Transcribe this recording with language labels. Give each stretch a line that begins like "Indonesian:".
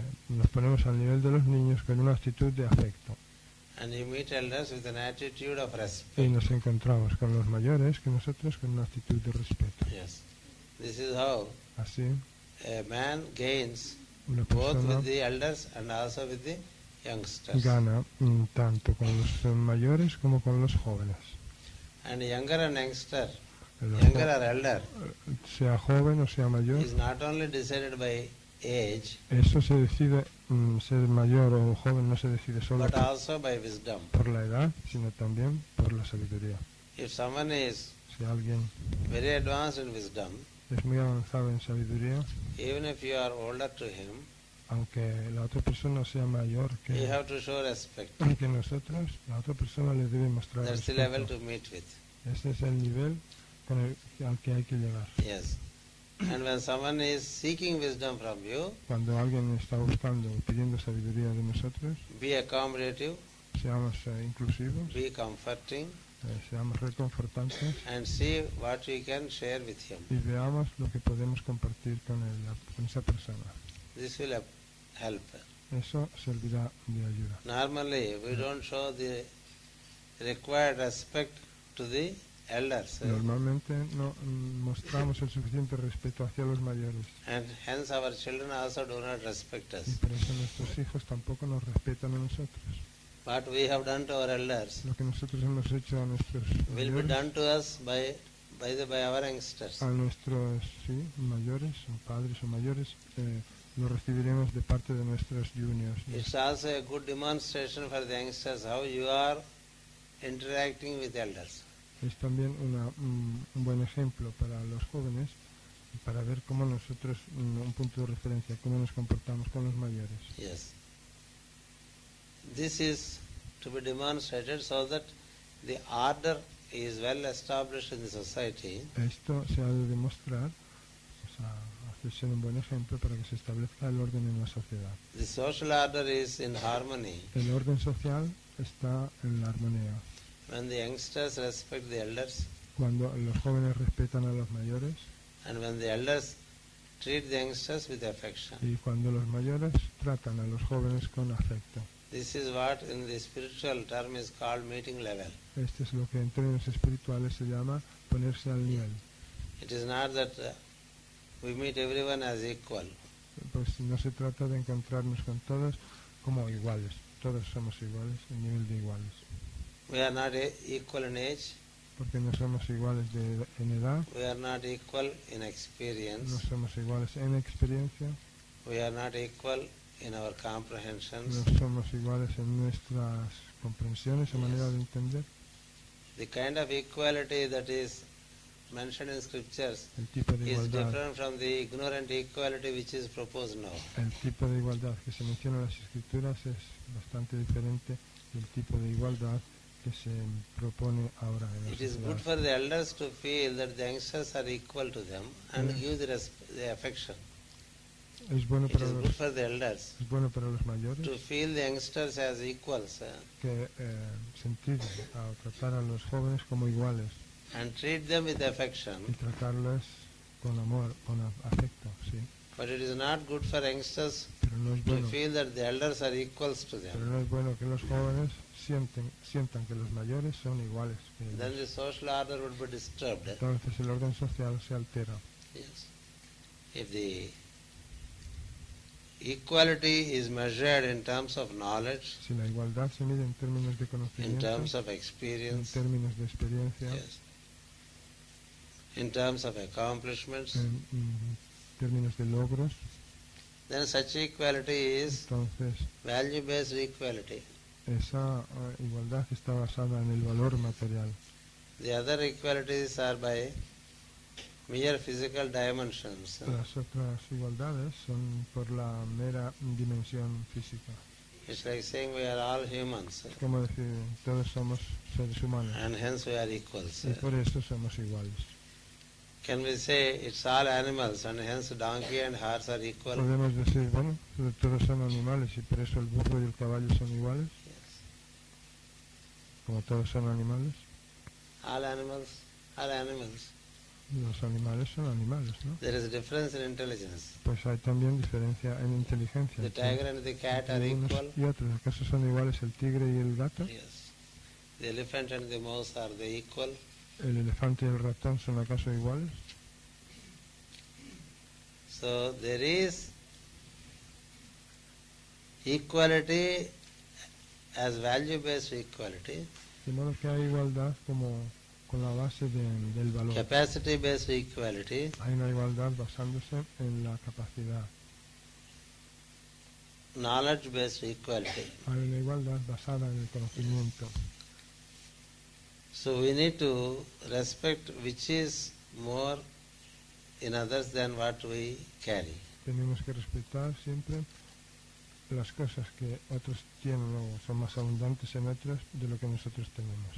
Spanish: Nos ponemos al nivel de los niños con una actitud de afecto.
English: And you meet elders with an attitude of respect.
Spanish: Y nos encontramos con los mayores que nosotros con una actitud de respeto.
English: Yes. This is how
Spanish: así,
English: a man gains
Spanish: una persona
English: both with the elders and also with the youngsters.
Spanish: Gana tanto con los mayores como con los jóvenes.
English: And younger and youngster, younger or elder,
Spanish: sea joven o sea mayor,
English: is not only decided by age.
Spanish: Eso se decide ser mayor o joven no se decide solo
English: but also by wisdom.
Spanish: Por la edad, sino también por la sabiduría.
English: If someone is
Spanish: si alguien
English: very advanced in wisdom,
Spanish: es muy avanzado en sabiduría,
English: even if you are older to him,
Spanish: aunque la otra persona sea mayor que,
English: you have to show respect.
Spanish: Que nosotros, la otra persona le debe mostrar
English: that's
Spanish: respeto.
English: The level to meet with.
Spanish: Ese es el nivel con el, al que hay que llegar.
English: Yes. And when someone is seeking wisdom from you,
Spanish: cuando alguien está buscando, pidiendo sabiduría de nosotros,
English: be accommodative,
Spanish: seamos inclusivos,
English: be comforting,
Spanish: seamos reconfortantes,
English: and see what we can share with him.
Spanish: Y veamos lo que podemos compartir con él, con esa persona.
English: This will help.
Spanish: Eso servirá de ayuda.
English: Normally, we don't show the required respect to the elders.
Spanish: Normalmente no mostramos el suficiente respeto hacia los mayores.
English: And hence our children also do not respect us.
Spanish: Y por eso nuestros hijos tampoco nos respetan a nosotros.
English: What we have done to our elders,
Spanish: lo que nosotros hemos hecho a nuestros mayores,
English: will be done to us by our youngsters.
Spanish: A nuestros sí, mayores, o padres o mayores, lo recibiremos de parte de nuestros juniors.
English: It's also a good demonstration for the youngsters how you are interacting with elders.
Spanish: Es también un buen ejemplo para los jóvenes, para ver cómo nosotros, un punto de referencia, cómo nos comportamos con los mayores.
English: Yes. This is to be demonstrated so that the order is well established in the society.
Spanish: Esto se ha de demostrar, o sea, hacer ser un buen ejemplo para que se establezca el orden en la sociedad.
English: The social order is in harmony.
Spanish: El orden social está en la armonía.
English: When the youngsters respect the elders,
Spanish: cuando los jóvenes respetan a los mayores,
English: and when the elders treat the youngsters with affection,
Spanish: y cuando los mayores tratan a los jóvenes con afecto,
English: this is what in the spiritual term is called meeting level.
Spanish: Esto es lo que en términos espirituales se llama ponerse al nivel.
English: It is not that we meet everyone as equal.
Spanish: Pues no se trata de encontrarnos con todos como iguales. Todos somos iguales, en nivel de iguales.
English: We are not equal in age.
Spanish: Porque no somos iguales en edad.
English: We are not equal in experience.
Spanish: No somos iguales en experiencia.
English: We are not equal in our comprehensions.
Spanish: No somos iguales en nuestras comprensiones o manera de entender.
English: The kind of equality that is mentioned in scriptures
Spanish: el tipo de
English: is different from the ignorant equality which is proposed now.
Spanish: El tipo de igualdad que se menciona en las escrituras es bastante diferente del tipo de igualdad que se propone ahora.
English: It is good for the elders to feel that the youngsters are equal to them and give the affection.
Spanish: Es bueno para
English: it is good for the elders.
Spanish: Es bueno para los mayores
English: to feel the youngsters as equals.
Spanish: Que sentir a tratar a los jóvenes como iguales.
English: And treat them with affection.
Spanish: Y tratarlos con amor, con afecto, sí.
English: But it is not good for youngsters
Spanish: no bueno,
English: to feel that the elders are equals to them.
Spanish: Pero no es bueno que los jóvenes sientan que los mayores son iguales que ellos.
English: Then the social order would be disturbed.
Spanish: Entonces el orden social se altera.
English: Yes. If the equality is measured in terms of knowledge,
Spanish: si la igualdad se mide en términos de conocimiento,
English: in terms of experience,
Spanish: en términos de experiencia,
English: yes, in terms of accomplishments,
Spanish: términos de logros,
English: then such equality is
Spanish: entonces,
English: value-based equality.
Spanish: Esa igualdad está basada en el valor material.
English: The other equalities are by mere physical dimensions.
Spanish: Las otras igualdades son por la mera dimensión física.
English: It's like saying we are all humans.
Spanish: Es como decir, todos somos seres humanos.
English: And hence we are equals.
Spanish: Y por eso somos iguales.
English: Can we say it's all animals and hence donkey and horse are equal?
Spanish: Podemos decir, bueno, todos son animales y por eso el burro y el caballo son iguales. Como todos son animales.
English: All animals, all animals.
Spanish: Los animales son animales, ¿no?
English: There is a difference in intelligence.
Spanish: Pues hay también diferencia en inteligencia.
English: The tiger and the cat are equal.
Spanish: ¿Y otros? ¿Acaso son iguales el tigre y el gato?
English: Yes. The elephant and the mouse are they equal?
Spanish: ¿El elefante y el ratón son acaso iguales?
English: So there is equality as value-based equality.
Spanish: De modo que hay igualdad como con la base del valor.
English: Capacity-based equality.
Spanish: Hay una igualdad basándose en la capacidad.
English: Knowledge-based equality.
Spanish: Hay una igualdad basada en el conocimiento.
English: So we need to respect which is more in others than what we carry.
Spanish: Tenemos que respetar siempre las cosas que otros tienen o son más abundantes en otros de lo que nosotros tenemos.